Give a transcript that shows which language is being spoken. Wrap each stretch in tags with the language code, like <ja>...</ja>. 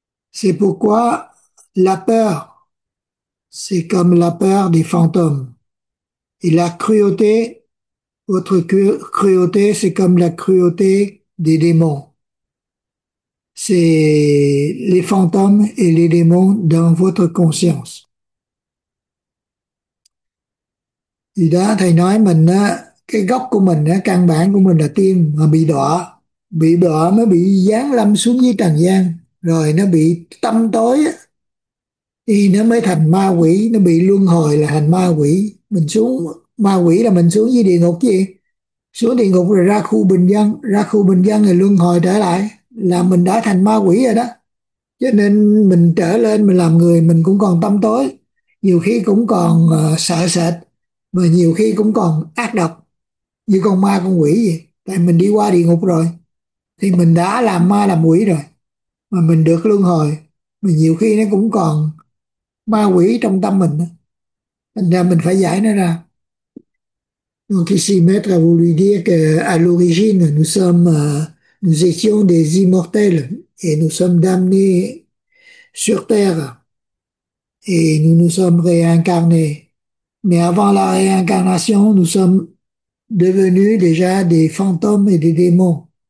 <fr>C'est pourquoi la peur, c'est comme la peur des fantômes. Et la cruauté, votre cruauté, c'est comme la cruauté des démons. C'est les fantômes et les démons dans votre conscience.</fr> <vi>Thì đó, thầy nói mình á, cái gốc của mình á, căn bản của mình là tiên, mà bị đọa mới bị giáng lâm xuống dưới trần gian, rồi nó bị tâm tối á, thì nó mới thành ma quỷ, nó bị luân hồi là thành ma quỷ. Mình xuống ma quỷ là mình xuống dưới địa ngục gì, xuống địa ngục rồi ra khu bình dân, ra khu bình dân thì luân hồi trở lại là mình đã thành ma quỷ rồi đó. Cho nên mình trở lên mình làm người mình cũng còn tăm tối, nhiều khi cũng còn sợ sệt và nhiều khi cũng còn ác độc như con ma con quỷ gì, tại mình đi qua địa ngục rồi thì mình đã làm ma làm quỷ rồi mà mình được luân hồi, mà nhiều khi nó cũng còn ma quỷ trong tâm mình đó. Thành ra mình phải giải nó ra.</vi> <fr>Donc ici, maître, vous lui dire qu'à l'origine, nous sommes, nous étions des immortels et nous sommes damnés sur Terre et nous nous sommes réincarnés. Mais avant la réincarnation, nous sommes devenus déjà des fantômes et des démons.</fr>